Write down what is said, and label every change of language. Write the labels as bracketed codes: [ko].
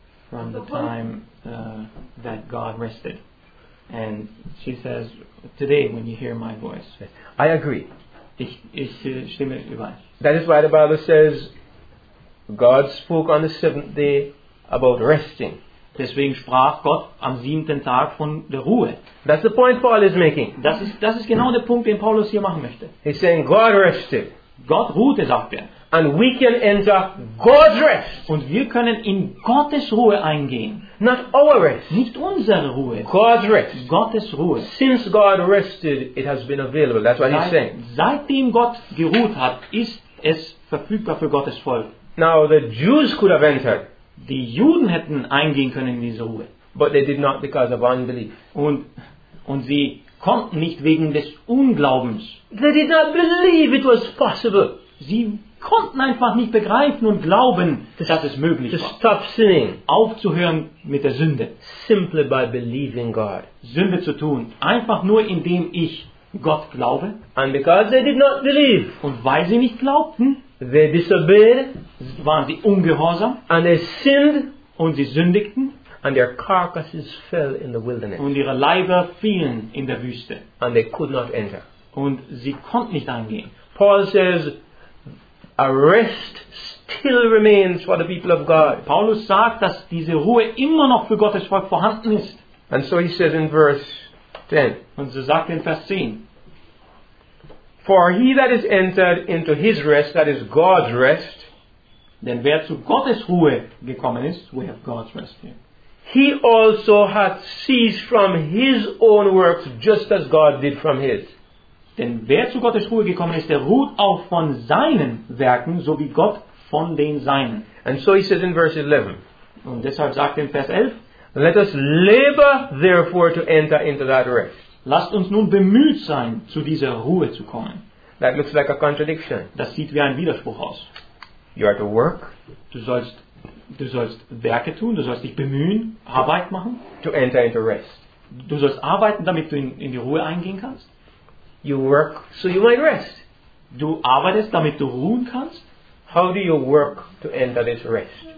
[en] From the time that God rested, and she says, "Today, when you hear my voice." I agree. [de] Ich stimme überein. [en] That is why the Bible says, "God spoke on the seventh day about resting." [de] Deswegen sprach Gott am siebten Tag von der Ruhe. [en] That's the point Paul is making. [de] Das ist genau der Punkt, den Paulus hier machen möchte. [en] He's saying God rested. [de] Gott ruhte, sagt er. [en] And we can enter God's rest. [de] Und wir können in Gottes Ruhe eingehen. [en] Not our rest. [de] Nicht unsere Ruhe. [en] God's rest. [de] Gottes Ruhe. [en] Since God rested, it has been available. That's what he's saying. [de] Seitdem Gott geruht hat, ist es verfügbar für Gottes Volk. [en] Now the Jews could have entered. [de] Die Juden hätten eingehen können in diese Ruhe. [en] But they did not because of unbelief. [de] Und sie konnten nicht wegen des Unglaubens. [en] They did not believe it was possible. [de] Sie konnten einfach nicht begreifen und glauben, dass es möglich war. [en] To stop sinning. [de] Aufzuhören mit der Sünde. [en] Simply by believing God. [de] Sünde zu tun. Einfach nur indem ich Gott glaube. [en] And because they did not believe. [de] Und weil sie nicht glaubten. [en] They disobeyed, [de] waren sie ungehorsam, [en] and they sinned, [de] und sie sündigten. [en] And their carcasses fell in the wilderness. [de] Und ihre Leiber fielen in der Wüste. [en] And they could not enter. [de] Und sie konnten nicht eingehen. [en] Paul says, a rest still remains for the people of God. [de] Paulus sagt, dass diese Ruhe immer noch für Gottes Volk vorhanden ist. [en] And so he says in verse 10. [de] Und so sagt in Vers 10. [en] For he that is entered into his rest, that is God's rest. [de] Denn wer zu Gottes Ruhe gekommen ist, [en] we have God's rest here. He also hath ceased from his own works, just as God did from his. [de] Denn wer zu Gottes Ruhe gekommen ist, der ruht auch von seinen Werken, so wie Gott von den seinen. [en] And so he says in verse 11. [de] Und deshalb sagt er in Vers 11. [en] Let us labor therefore to enter into that rest. [de] Lasst uns nun bemüht sein, zu dieser Ruhe zu kommen. [en] That looks like a contradiction. [de] Das sieht wie ein Widerspruch aus. [en] You are to work. [de] Du sollst Werke tun, du sollst dich bemühen, Arbeit machen. [en] To enter into rest. [de] Du sollst arbeiten, damit du in die Ruhe eingehen kannst. [en] You work so you might rest. [de] Du arbeitest, damit du ruhen kannst. [en] How do you work to enter this rest?